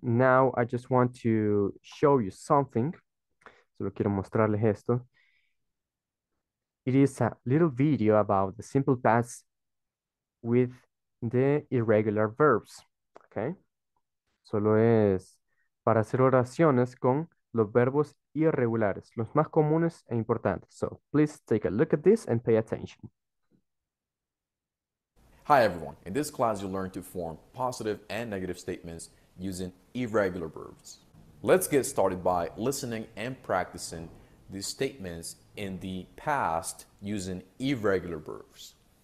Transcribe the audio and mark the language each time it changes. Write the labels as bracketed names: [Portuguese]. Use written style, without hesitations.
[English] Now I just want to show you something. [Spanish] Solo quiero mostrarles esto. [English] It is a little video about the simple past with the irregular verbs. Okay. [Spanish] Solo es para hacer oraciones con los verbos irregulares, los más comunes e importantes. [English] So, please take a look at this and pay attention. Hi, everyone. In this class, you'll learn to form positive and negative statements using irregular verbs. Let's get started by listening and practicing these statements in the past using irregular verbs.